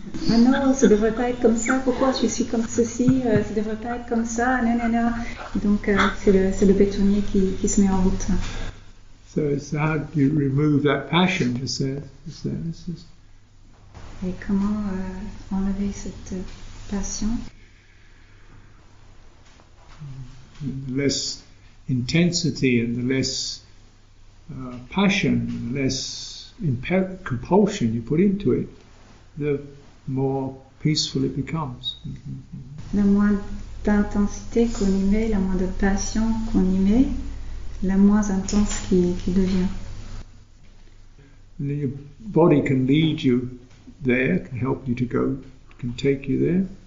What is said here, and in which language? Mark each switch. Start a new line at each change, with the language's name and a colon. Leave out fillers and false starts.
French: ah non, ça devrait pas être comme ça, pourquoi je suis comme ceci, ça devrait pas être comme ça, non, non, non. Donc c'est le bétonnier qui se met en route.
English: So it's how do you remove that passion, just say, this is...
French: Et comment enlever cette passion?
English: The less intensity and the less passion, the less compulsion you put into it, the more peaceful it becomes.
French: La moins d'intensité qu'on y met, la moins de passion qu'on y met, la moins intense qui devient.
English: Your body can lead you there, can help you to go, can take you there.